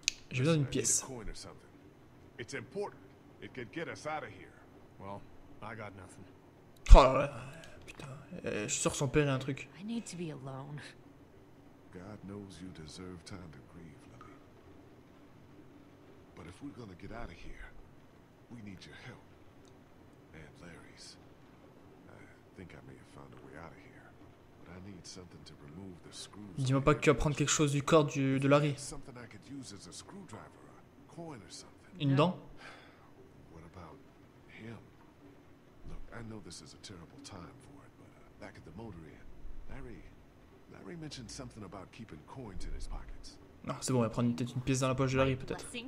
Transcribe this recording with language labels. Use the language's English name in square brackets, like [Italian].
[French] J'ai besoin d'une pièce. [English] It's important. It could get us out of here. Well, I got nothing. [French] Oh là là. Putain, je sors son père et un truc. [English] I need to be alone. God knows you deserve time to grieve, Libby. But if we're gonna get out of here, we need your help. And Larry's. I think I may have found a way out of here. But I need something to remove the screws. [French] Dis-moi pas que tu vas prendre quelque chose du corps de Larry. [English] Something I could use as a screwdriver, a coin or something. [French] Une dent? [English] What about him? Look, I know this is a terrible time for it, but back at the motor inn, Larry mentioned something about keeping coins in his pockets. [French] Non, c'est bon, il va prendre peut-être une pièce dans la poche de Larry, peut-être.